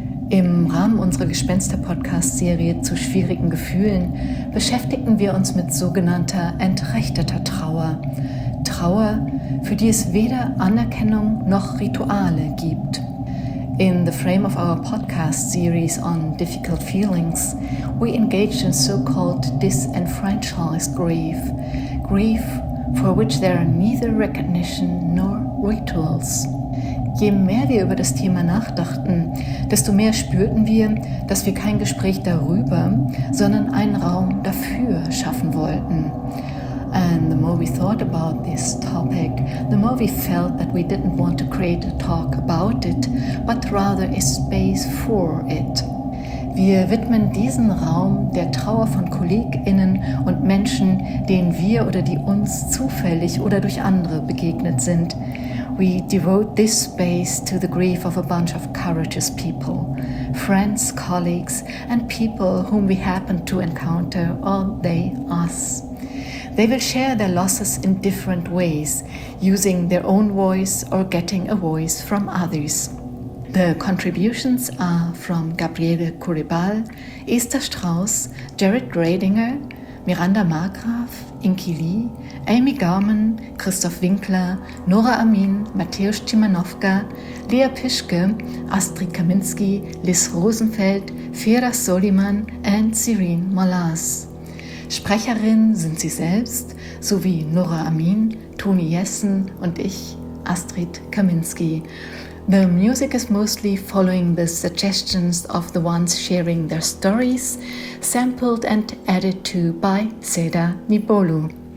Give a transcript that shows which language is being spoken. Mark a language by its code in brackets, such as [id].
[de] Im Rahmen unserer Gespenster-Podcast-Serie zu schwierigen Gefühlen beschäftigen wir uns mit sogenannter entrechteter Trauer. Trauer, für die es weder Anerkennung noch Rituale gibt. [en] In the frame of our podcast-Series on difficult feelings, we engage in so-called disenfranchised grief. Grief, for which there are neither recognition nor rituals. [de] Je mehr wir über das Thema nachdachten, desto mehr spürten wir, dass wir kein Gespräch darüber, sondern einen Raum dafür schaffen wollten. [en] And the more we thought about this topic, the more we felt that we didn't want to create a talk about it, but rather a space for it. [de] Wir widmen diesen Raum der Trauer von KollegInnen und Menschen, denen wir oder die uns zufällig oder durch andere begegnet sind. [en] We devote this space to the grief of a bunch of courageous people, friends, colleagues, and people whom we happen to encounter, or they us. They will share their losses in different ways, using their own voice or getting a voice from others. The contributions are from Gabriele Kuribal, Esther Strauss, Jared Gradinger, Miranda Markgraf, Inki Lee, Amy Gaumann, Christoph Winkler, Nora Amin, Matthäus Cimanowka, Lea Pischke, Astrid Kaminski, Liz Rosenfeld, Fera Soliman and Sirene Molas. [de] Sprecherin sind sie selbst, sowie Nora Amin, Toni Jessen und ich, Astrid Kaminski. [en] The music is mostly following the suggestions of the ones sharing their stories, sampled and added to by Seda Nibolu.